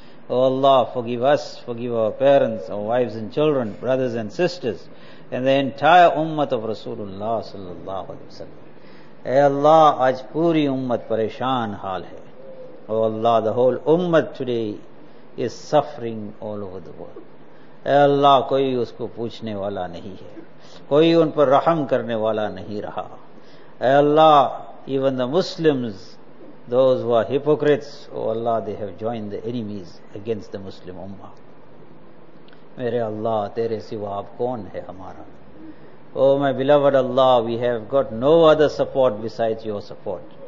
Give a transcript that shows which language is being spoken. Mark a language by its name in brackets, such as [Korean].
[English] O Allah, forgive us, forgive our parents, our wives and children, brothers and sisters, and the entire ummat of Rasulullah sallallahu alaihi wasallam. [Urdu] Ey Allah, aaj puri ummat pareshan hal hai. [English] O Allah, the whole ummat today is suffering all over the world. [Urdu] اے اللہ، کوئی اس کو پوچھنے والا نہیں ہے، کوئی ان پر رحم کرنے والا نہیں رہا. [English] O Allah, even the Muslims, those who are hypocrites, O Allah, they have joined the enemies against the Muslim ummah. [Urdu] میرے اللہ، تیرے سوا اب کون ہے ہمارا؟ [English] O my beloved Allah, we have got no other support beside your support.